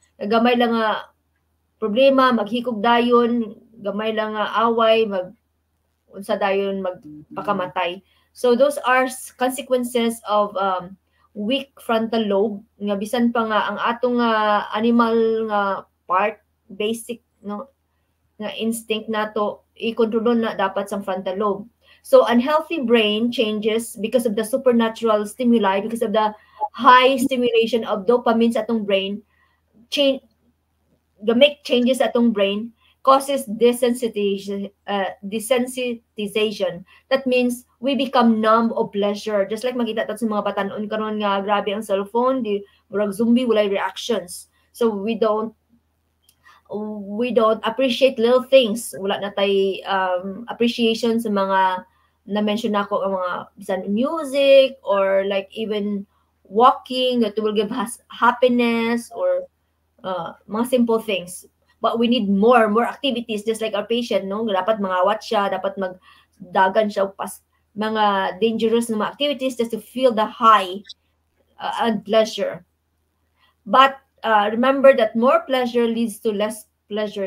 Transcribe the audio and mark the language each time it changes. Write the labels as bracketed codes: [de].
[ceb] Gamay lang nga problema, maghikog dayon, gamay lang nga away, unsa dayon magpakamatay. [en] So, those are consequences of weak frontal lobe. [ceb] Nga bisan pa nga, ang atong animal nga part, basic no nga instinct nato i-control na dapat sa frontal lobe. [en] So unhealthy brain changes because of the supernatural stimuli, because of the high stimulation of dopamine [ceb] sa atong [en] brain, changes atong brain causes desensitization. That means we become numb of pleasure, just like [ceb] makita ta sa mga batan-on karon nga grabe ang cellphone, di murag zombie, walay reactions. [en] So we don't appreciate little things. [ceb] Wala na tayo [en] appreciation [ceb] sa mga na-mention ako, ang mga [en] music or like even walking that will give us happiness or mga simple things. But we need more activities, just like our patient, no? [ceb] Dapat mangawat siya, dapat magdagan siya pas mga dangerous na mga activities [en] just to feel the high and pleasure. But remember that more pleasure leads to less pleasure.